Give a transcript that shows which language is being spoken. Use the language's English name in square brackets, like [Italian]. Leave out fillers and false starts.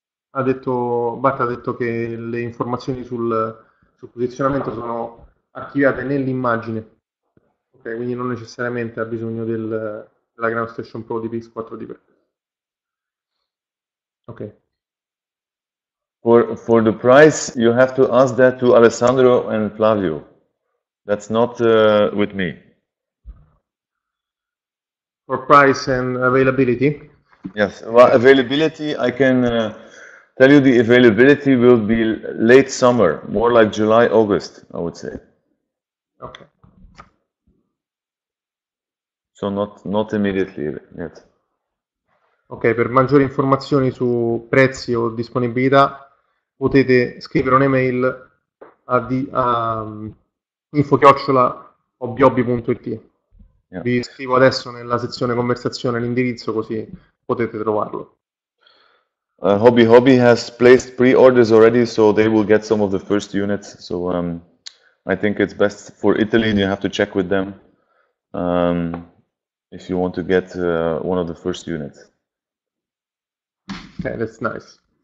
[Italian] Ha detto, Bart ha detto che le informazioni sul posizionamento sono archiviate nell'immagine. Ok, quindi non necessariamente ha bisogno della Ground Station Pro di PIX4D. Ok. [English] For the price, you have to ask that to Alessandro and Flavio. That's not with me. For price and availability. Yes, well, availability, I can tell you the availability will be late summer, more like July, August, I would say. Okay. So not immediately yet. [Italian] Okay, per maggiori informazioni su prezzi o disponibilità, potete scrivere un'email a info@obiobi.it. [English] Yeah. [Italian] Vi scrivo adesso nella sezione conversazione l'indirizzo così potete trovarlo. [English] Hobby has placed pre-orders already, so they will get some of the first units. So I think it's best for Italy, and you have to check with them if you want to get one of the first units. Okay, that's nice.